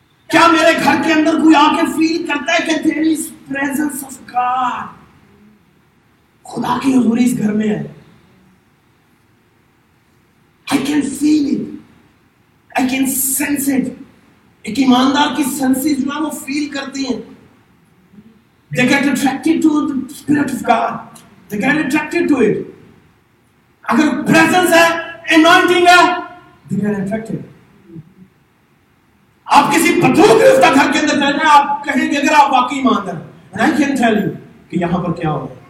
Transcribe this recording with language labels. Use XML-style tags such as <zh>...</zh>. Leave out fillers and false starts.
<ur>کیا میرے گھر کے اندر کوئی آ کے فیل کرتا ہے کہ</ur> <en>there is presence of God,</en> <ur>خدا کی حضوری اس گھر میں ہے؟</ur> <en>I can feel it, I can sense it.</en> <ur>ایک ایماندار کی سنسز جو ہے وہ فیل کرتی ہیں.</ur> <en>They get attracted to the spirit of God, they get attracted to it.</en> <ur>اگر پریزنس ہے, anointing ہے,</ur> <en>they get attracted.</en> <ur>آپ کسی پتھروں کے افتا گھر کے اندر چلے جائیں, آپ کہیں گے اگر آپ واقعی ایماندار,</ur> <en>and I can tell you</en> <ur>کہ یہاں پر کیا ہو.</ur>